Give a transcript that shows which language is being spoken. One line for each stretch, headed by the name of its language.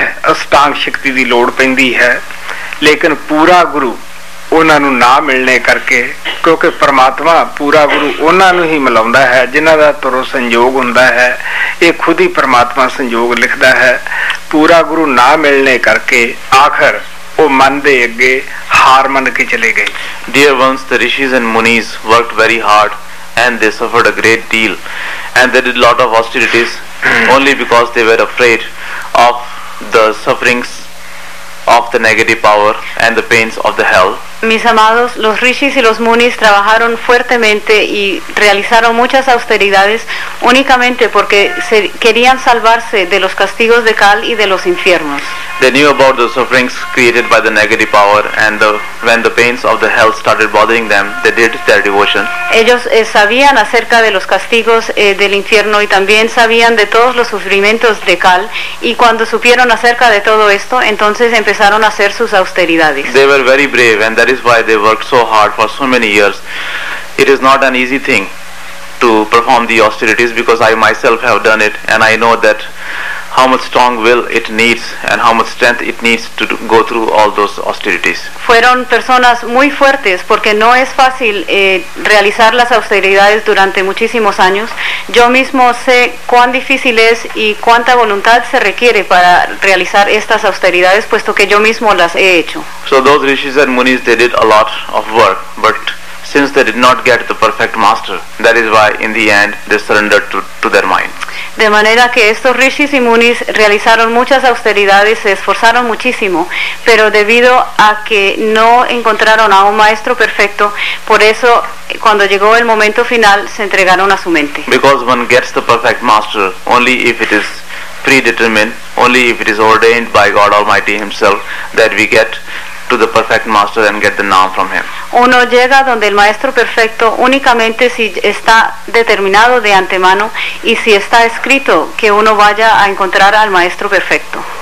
Punjabi: ਅਸਟਾਂਗ ਸ਼ਕਤੀ ਦੀ ਲੋੜ ਪੈਂਦੀ ਹੈ ਲੇਕਿਨ ਪੂਰਾ ਗੁਰੂ ਉਹਨਾਂ ਨੂੰ ਨਾ ਮਿਲਣੇ ਕਰਕੇ ਕਿਉਂਕਿ ਪਰਮਾਤਮਾ ਪੂਰਾ ਗੁਰੂ ਉਹਨਾਂ ਨੂੰ ਹੀ ਮਿਲਾਉਂਦਾ ਹੈ ਜਿਨ੍ਹਾਂ ਦਾ ਤੁਰੋ ਸੰਯੋਗ ਹੁੰਦਾ ਹੈ ਇਹ ਖੁਦ ਹੀ ਪਰਮਾਤਮਾ ਸੰਯੋਗ ਲਿਖਦਾ ਹੈ ਪੂਰਾ ਗੁਰੂ ਨਾ ਮਿਲਣੇ ਕਰਕੇ ਆਖਰ ਉਹ ਮਨ ਦੇ ਅੱਗੇ ਹਾਰ ਮੰਨ ਕੇ ਚਲੇ ਗਏ
English: Dear ones the rishis and munis worked very hard and they suffered a great deal and they did lot of hostilities only because they were afraid of the sufferings of the negative power and the pains of the hell.
Spanish: Mis amados, los rishis y los munis trabajaron fuertemente y realizaron muchas austeridades únicamente porque se querían salvarse de los castigos de Kal y de los infiernos.
English: They knew about the sufferings created by the negative power and the, when the pains of the hell started bothering them, they did their devotion.
Spanish: Ellos sabían acerca de los castigos del infierno y también sabían de todos los sufrimientos de Kal y cuando supieron acerca de todo esto, entonces empezaron a hacer sus austeridades.
English: They were very brave and that is why they worked so hard for so many years. It is not an easy thing to perform the austerities because I myself have done it and I know that how much strong will it needs and how much strength it needs to go through all those austerities.
Spanish: Fueron personas muy fuertes porque no es fácil realizar las austeridades durante muchísimos años. Yo mismo sé cuán difícil es y cuánta voluntad se requiere para realizar estas austeridades puesto que yo mismo las he hecho.
English: So those rishis and munis, they did a lot of work, but since they did not get the perfect master, that is why in the end they surrendered to their mind.
Spanish: De manera que estos rishis y munis realizaron muchas austeridades, se esforzaron muchísimo, pero debido a que no encontraron a un maestro perfecto, por eso cuando llegó el momento final se entregaron a su mente.
English: Because one gets the perfect master only if it is predetermined, only if it is ordained by God Almighty Himself, that we get to the perfect master and get the naam from him.
Spanish: Uno llega donde el maestro perfecto únicamente si está determinado de antemano y si está escrito que uno vaya a encontrar al maestro perfecto.